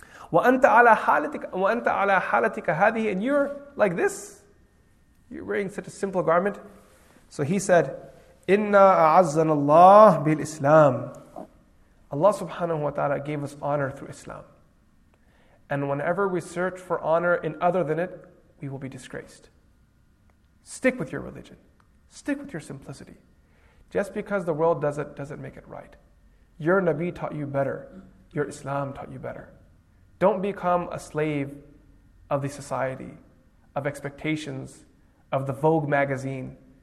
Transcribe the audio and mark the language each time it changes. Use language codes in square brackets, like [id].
[ar] وَأَنْتَ عَلَى حَالَتِكَ هَذِهِ, [en] and you're like this, you're wearing such a simple garment." So he said, [ar] "إِنَّا أَعَزَّنَ اللَّهُ بِالْإِسْلَامِ. [en] Allah subhanahu wa ta'ala gave us honor through Islam. And whenever we search for honor in other than it, we will be disgraced. Stick with your religion. Stick with your simplicity. Just because the world does it, doesn't make it right. Your Nabi taught you better. Your Islam taught you better. Don't become a slave of the society, of expectations, of the Vogue magazine.